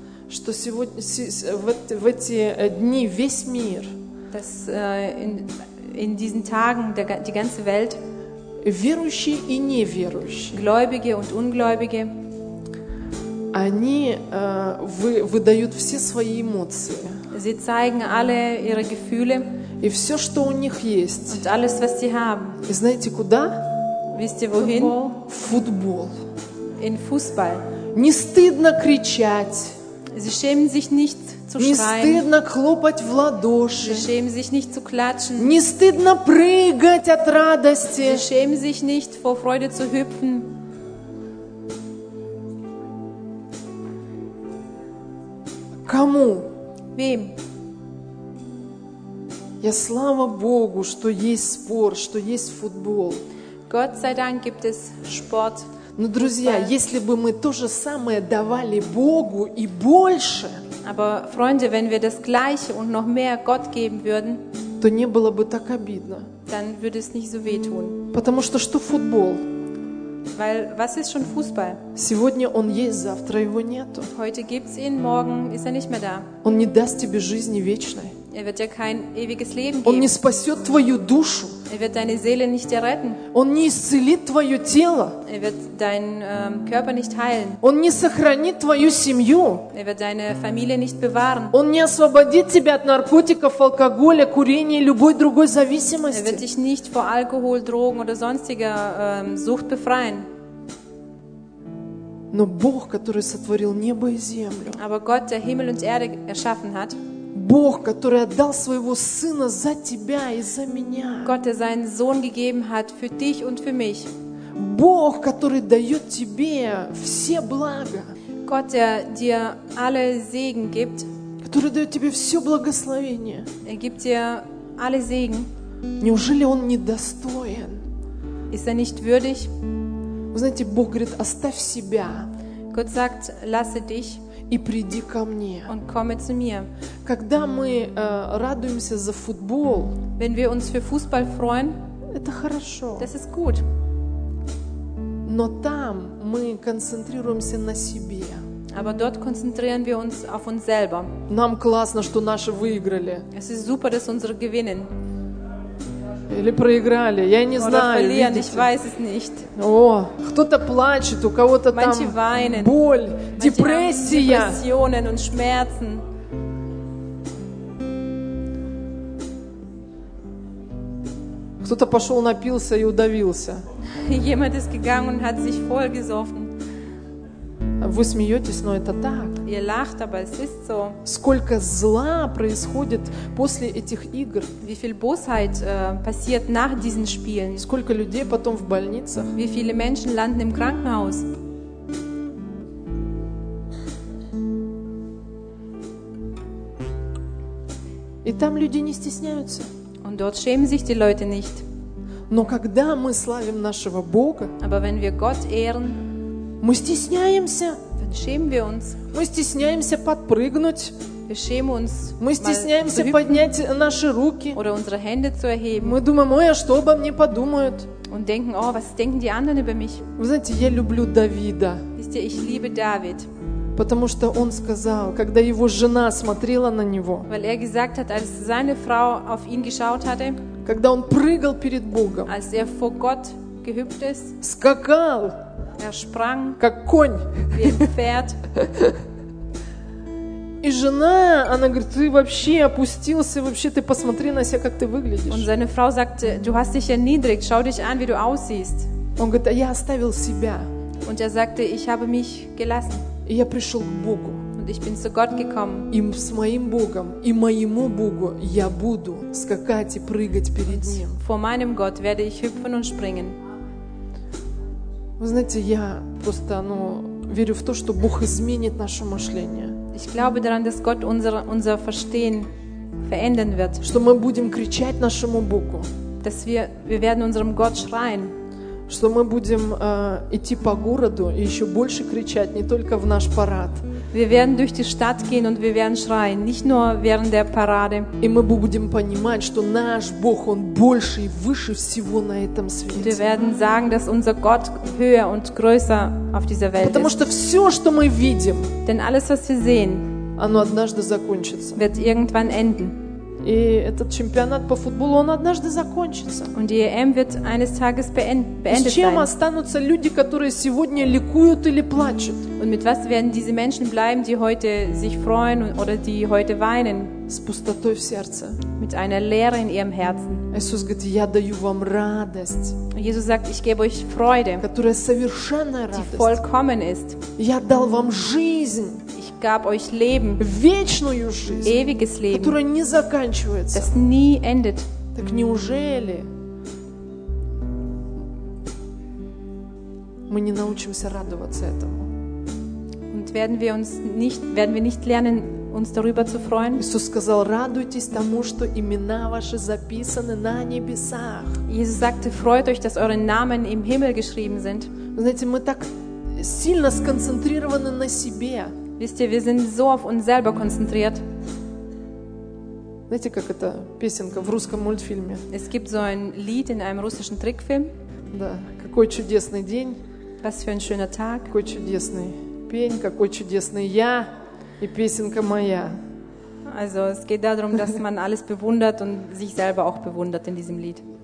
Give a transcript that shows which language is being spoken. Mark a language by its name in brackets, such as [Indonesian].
[Russian] Что сегодня, в эти дни весь мир, [German] dass in diesen Tagen die ganze Welt, [Russian] верующие и неверующие, [German] Gläubige und Ungläubige, [Russian] они выдают все свои эмоции. [German] Sie zeigen alle ihre Gefühle. [Russian] И все, что у них есть. [German] Und alles, was sie haben. [Russian] И знаете, куда? [German] Wisst ihr, wohin? [Russian] В футбол. [German] In Fußball. [Russian] Не стыдно кричать. [German] Sie schämen sich nicht zu [Russian] Не [German] schreien. [Russian] Стыдно хлопать в ладоши. [German] Sie schämen sich nicht zu klatschen. [Russian] Не стыдно прыгать от радости. [German] Sie schämen sich nicht vor Freude zu hüpfen. [Russian] Кому? [German] Wem? [Russian] Я слава Богу, что есть спорт, что есть футбол. [German] Gott sei Dank gibt es Sport. [Russian] Но, друзья, если бы мы то же самое давали Богу и больше, [German] aber, Freunde, wenn wir das Gleiche und noch mehr Gott geben würden, [Russian] то не было бы так обидно. [German] Dann würde es nicht so wehtun. [Russian] Потому что что футбол? [German] Weil, was ist schon Fußball? [Russian] Сегодня он есть, завтра его нету. [German] Heute gibt's ihn, morgen ist er nicht mehr da. [Russian] Он не даст тебе жизни вечной. [German] Er wird dir kein ewiges Leben geben. [Russian] Он не спасет твою душу. [German] Er wird deine Seele nicht retten. [Russian] Он не исцелит твое тело. [German] Er wird deinen Körper nicht heilen. [Russian] Он не сохранит твою семью. [German] Er wird deine Familie nicht bewahren. [Russian] Он не освободит тебя от наркотиков, алкоголя, курения и любой другой зависимости. [German] Er wird dich nicht vor Alkohol, Drogen oder sonstiger Sucht befreien. [Russian] Но Бог, который сотворил небо и землю, [German] aber Gott, der Himmel und Erde erschaffen hat, [Russian] Бог, который отдал своего сына за тебя и за меня. [German] Gott, der seinen Sohn gegeben hat für dich und für mich. [Russian] Бог, который дает тебе все блага. [German] Gott, der dir alle Segen gibt. [Russian] Который дает тебе все благословение. [German] Er gibt dir alle Segen. [Russian] Неужели он недостоин? [German] Ist er nicht würdig? [Russian] Вы знаете, Бог говорит: оставь себя. [German] Gott sagt: lasse dich. [Russian] И приди ко мне. [German] Und komme zu mir. [Russian] Когда мы радуемся за футбол, [German] wenn wir uns für Fußball freuen, [Russian] это хорошо. [German] Das ist gut. [Russian] Но там мы концентрируемся на себе. [German] Aber dort konzentrieren wir uns auf uns selber. [Russian] Нам классно, что наши выиграли. [German] Es ist super, dass unsere gewinnen. [Russian] Или проиграли, я не знаю, [German] verlieren. Ich weiß es nicht. [Russian] О, кто-то плачет, у кого-то [German] Manche [Russian] там [German] weinen. [Russian] Боль, [German] Manche [Russian] депрессия. [German] Haben Depressionen und Schmerzen. [Russian] Хорошо. Кто-то пошел, напился и удавился. [German] Jemand ist gegangen und hat sich vollgesoffen. [Russian] Вы смеетесь, но это так. [German] Ihr lacht, aber es ist so. [Russian] Сколько зла происходит после этих игр? [German] Wie viel Bosheit, passiert nach diesen Spielen? [Russian] Сколько людей потом в больницах? [German] Wie viele Menschen landen im Krankenhaus? [Russian] И там люди не стесняются. [German] Und dort schämen sich die Leute nicht. [Russian] Но когда мы славим нашего Бога, [German] aber wenn wir Gott ehren, [Russian] мы стесняемся. [German] Dann schämen wir uns. [Russian] Мы стесняемся подпрыгнуть. [German] Wir schämen uns, [Russian] мы стесняемся поднять наши руки. [German] Oder unsere Hände zu erheben. [Russian] Мы думаем, ой, а что обо мне подумают? [German] Und denken, oh, was denken die anderen über mich? [Russian] Вы знаете, я люблю Давида. [German] Wisst ihr, ich liebe David. [Russian] Потому что он сказал, когда его жена смотрела на него, [German] weil er gesagt hat, als seine Frau auf ihn geschaut hatte, [Russian] когда он прыгал перед Богом, [German] als er vor Gott gehüpft ist, [Russian] скакал, [German] er sprang, [Russian] как конь, [German] wie ein Pferd. [Russian] И жена, она говорит, ты вообще опустился, вообще ты посмотри на себя, как ты выглядишь. [German] Und seine Frau sagte, du hast dich erniedrigt, schau dich an, wie du aussiehst. [Russian] Он говорит, а я оставил себя. [German] Und er sagte, ich habe mich gelassen. [Russian] И я пришел к Богу. [German] Und ich bin zu Gott gekommen. [Russian] И с моим Богом, и моему Богу я буду скакать и прыгать перед Ним. [German] Vor meinem Gott werde ich hüpfen und springen. [Russian] Вы знаете, я просто, ну, верю в то, что Бог изменит наше мышление. [German] Ich glaube daran, dass Gott unser Verstehen verändern wird. [Russian] Что мы будем кричать нашему Богу. [German] Dass wir werden unserem Gott schreien. [Russian] Что мы будем идти по городу и еще больше кричать, не только в наш парад. [German] Wir werden durch die Stadt gehen und wir werden schreien, nicht nur während der Parade. [Russian] И мы будем понимать, что наш Бог, Он больше и выше всего на этом свете. [German] Wir werden sagen, dass unser Gott höher und größer auf dieser Welt ist. [Russian] Потому что все, что мы видим, [German] denn alles, was wir sehen, [Russian] оно однажды закончится. [German] Wird irgendwann enden. [Russian] И этот чемпионат по футболу, он однажды закончится. [German] Und die EM wird eines Tages beendet sein. [Russian] И с чем останутся люди, которые сегодня ликуют или плачут? [German] Und mit was werden diese Menschen bleiben, die heute sich freuen oder die heute weinen? [Russian] С пустотой в сердце. [German] Mit einer Leere in ihrem Herzen. [Russian] Иисус говорит, я даю вам радость. [German] Jesus sagt, ich gebe euch Freude. [Russian] Которая совершенная радость. [German] Die vollkommen ist. [Russian] Я дал вам жизнь. [German] Gab euch Leben, [Russian] вечную жизнь, [German] ewiges Leben, [Russian] которое не заканчивается, [German] das nie endet. [Russian] Так неужели мы не научимся радоваться этому? [German] Und werden wir nicht lernen, uns darüber zu freuen? [Russian] Иисус сказал, радуйтесь тому, что имена ваши записаны на небесах. [German] Jesus sagte, freut euch, dass eure Namen im Himmel geschrieben sind. [Russian] Знаете, мы так сильно сконцентрированы на себе. [German] Wisst ihr, wir sind so auf uns selber konzentriert. [Russian] Знаете, как эта песенка в русском мультфильме? [German] Es gibt so ein Lied in einem russischen Trickfilm. [Russian] Да, какой чудесный день. [German] Was für ein schöner Tag. [Russian] Какой чудесный пень, какой чудесный я и песенка моя. [German] Also, es geht darum, dass man alles bewundert und sich selber auch bewundert in diesem Lied.